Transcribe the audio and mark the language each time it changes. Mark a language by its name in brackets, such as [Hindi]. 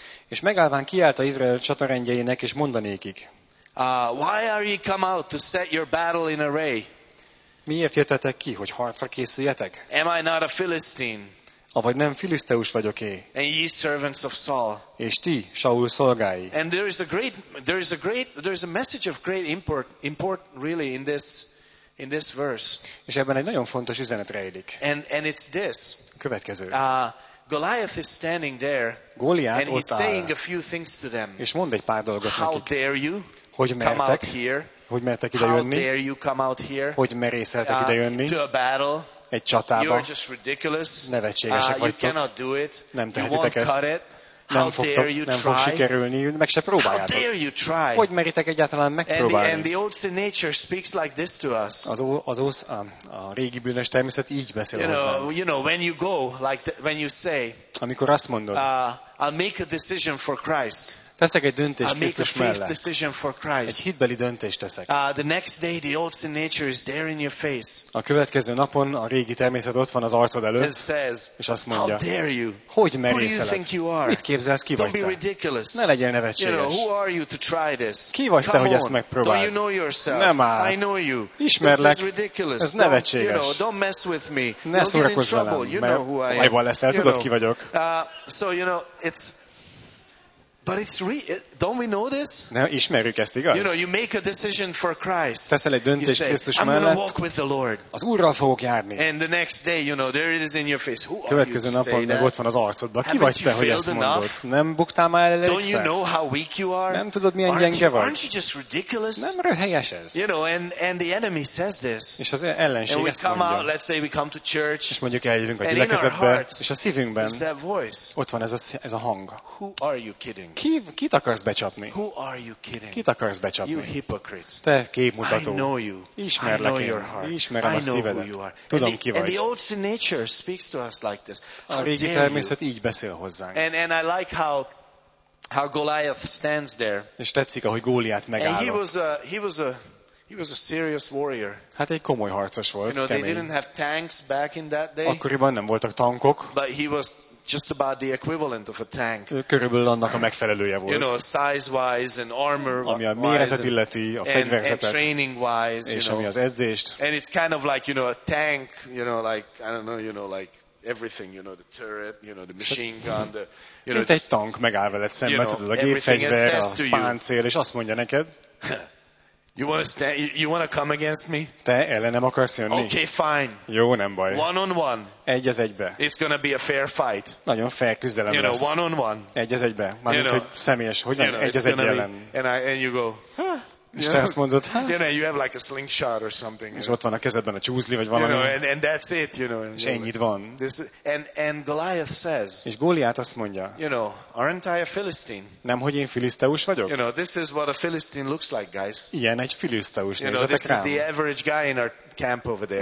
[Hungarian] és megállván kiállt a Izrael csatarendjeinek, és mondanékik, [English] why are ye come out to set your battle in array? [Hungarian] Miért jöttetek ki, hogy harcra készüljetek? [English] Am I not a Philistine? [Hungarian] Avagy nem filiszteus vagyok-e? [English] And ye servants of Saul. [Hungarian] És ti, Saul szolgái. [English] And there is a message of great import really in this verse. [Hungarian] És ebben egy nagyon fontos üzenet rejlik. [English] And it's this. [Hungarian] Következő. [English] Goliath is standing there. [Hungarian] Goliát [English] and he's saying a few things to them. [Hungarian] És mond egy pár dolgot [English] how [Hungarian] nekik. [English] Dare you? [Hungarian] Hogy mertek? [English] Come out here. [Hungarian] Hogy mertek ide jönni? [English] How dare you come out here? [Hungarian] Hogy merészeltek ide jönni? [English] To a battle. [Hungarian] Egy csatába. [English] You're just ridiculous. [Hungarian] Nevetségesek vagytok. [English] You cannot do it. [Hungarian] Nem tehetitek ezt. [English] You won't cut it. [Hungarian] Nem fogtok, nem fog sikerülni, meg se próbáljátok. [English] How dare you try? [Hungarian] Hogy meritek egyáltalán megpróbálni? [English] And the old sin nature speaks like this to us. [Hungarian] A régi bűnös természet így beszél [English] you [Hungarian] hozzám. [English] You know, when you go, like when you say, [Hungarian] amikor azt mondod, [English] I'll make a decision for Christ. [Hungarian] Teszek egy döntést Krisztus mellett. Egy hitbeli döntést teszek. [English] The next day the old sin nature is there in your face. [Hungarian] A következő napon a régi természet ott van az arcod előtt. [English] Says, [Hungarian] és azt mondja. [English] How dare you? [Hungarian] Hogy merészelek? Mit képzelsz, ki vagy te? Ne legyél nevetséges. [English] You know, who are you to try this? [Hungarian] Ki vagy [English] come [Hungarian] te, hogy ezt megpróbáld? [English] Don't you know yourself? [Hungarian] Nem állsz. [English] I know you. [Hungarian] Ismerlek. [English] This is ridiculous. [Hungarian] Ez nevetséges. [English] You know, don't mess with me. [Hungarian] Ne szórakozz velem, mert bajban leszel, tudod, ki vagyok. [English] So you know, it's but it's don't we know this? [Hungarian] Nem ismerjük ezt, igaz? [English] You know, you make a decision for Christ. [Hungarian] Teszel egy döntést Krisztus mellett. [English] I'm going to walk with the Lord. [Hungarian] Az Úrral fogok járni. [English] And the next day, you know, there it is in your face. Who are you? [Hungarian] Következő napon meg ott van az arcodban. Ki vagy te, hogy ezt mondod? Nem buktál már el elégszer? [English] Don't you know how weak you are? [Hungarian] Nem tudod, milyen gyenge vagy? [English] Aren't you just ridiculous? [Hungarian] Nem röhelyes ez? [English] You know, and the enemy says this. [Hungarian] És az ellenség ezt mondja. [English] And we come out, let's say we come to church. [Hungarian] És mondjuk eljövünk a gyülekezetbe. És a szívünkben. [English] Is that voice? [Hungarian] Ott van ez a hang. [English] Who are you kidding? [Hungarian] Kit akarsz becsapni? [English] Who are you kidding? [Hungarian] Kit akarsz becsapni? [English] You hypocrite. [Hungarian] Te képmutató. [English] I know you. [Hungarian] Ismerlek én. Ismerem a szívedet. Tudom, ki vagy. [English] And the old sin nature speaks to us like this. [Hungarian] A régi természet így beszél hozzánk. [English] And I like how Goliath stands there. [Hungarian] És tetszik, ahogy Góliát megállott. [English] And he was a serious warrior. [Hungarian] Hát egy komoly harcos volt. [English] You know, they didn't have tanks back in that day. [Hungarian] Akkoriban nem voltak tankok. [English] But he was just about the equivalent of a tank. [Hungarian] Körülbelül annak a megfelelője volt. [English] You know, size wise and armor wise. [Hungarian] Ami a méretet illeti, a fegyverzetet. [English] And training wise, [Hungarian] és [English] you [Hungarian] ami [English] know. [Hungarian] Az edzést. [English] And it's kind of like, you know, a tank, you know, like I don't know, you know, like everything, you know, the turret, you know, the machine gun, the you know. [Hungarian] Itt egy tank megáll veled szemben, [English] you know, [Hungarian] tudod, a gépfegyver, a páncél, és azt mondja neked. [English] You want to come against me? [Hungarian] Te ellenem akarsz jönni? [English] Okay, fine. [Hungarian] Jó, nem baj. [English] One on one. [Hungarian] Egy az egybe. [English] It's gonna be a fair fight. [Hungarian] Nagyon fair küzdelem lesz. [English] You know, one on one. [Hungarian] Egy az egybe. Már mint, hogy személyes, hogy van? Egy az egy ellen. [English] And you go, [Hungarian] és te azt mondod, hát? [English] You know, you have like a slingshot or something. [Hungarian] És ott van a kezedben a csúzli, vagy valami. [English] You know, and that's it, you know. [Hungarian] És ennyit van. [English] And Goliath says, [Hungarian] és Góliát azt mondja, [English] you know, aren't I a Philistine? [Hungarian] Nem, hogy én filiszteus vagyok? [English] You know, this is what a Philistine looks like, guys. [Hungarian] Ilyen egy filiszteus, [English] you know, [Hungarian] nézzetek rám. [English] This is the average guy in our camp over there.